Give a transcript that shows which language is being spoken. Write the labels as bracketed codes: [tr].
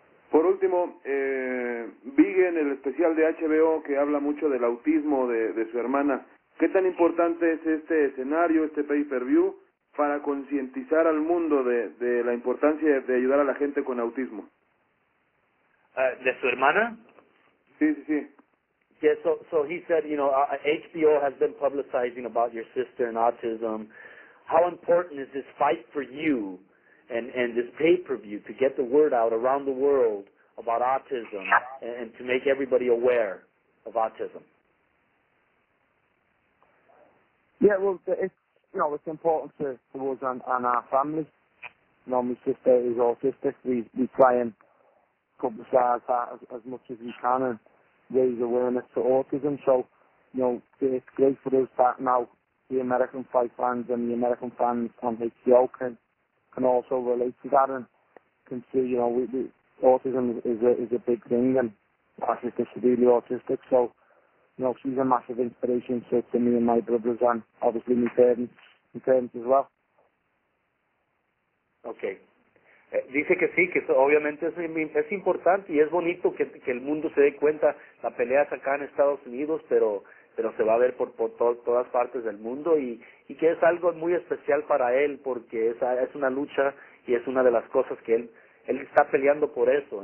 [es] Por último, vi en el especial de HBO que habla mucho del autismo de su hermana. ¿Qué tan importante es este escenario, este pay-per-view, para concientizar al mundo de la importancia de ayudar a la gente con autismo? ¿De su hermana? Sí. [en] Yeah, so he said, you know, HBO has been publicizing about your sister and autism. How important is this fight for you and this pay-per-view to get the word out around the world about autism and to make everybody aware of autism? Yeah, well, it's important to us and our family. You know, my sister is autistic. We try and publicize that as much as we can and raise awareness to autism. So, you know, it's great for us that now the American fight fans and the American fans on HBO can also relate to that and can see, you know, we autism is a big thing, and my sister's severely autistic, so, you know, she's a massive inspiration to me and my brothers and obviously my parents as well. Okay. [es] Dice que sí, que obviamente es importante y es bonito que el mundo se dé cuenta. La pelea es acá en Estados Unidos, pero se va a ver por todas partes del mundo y que es algo muy especial para él, porque es una lucha y es una de las cosas que él está peleando por eso.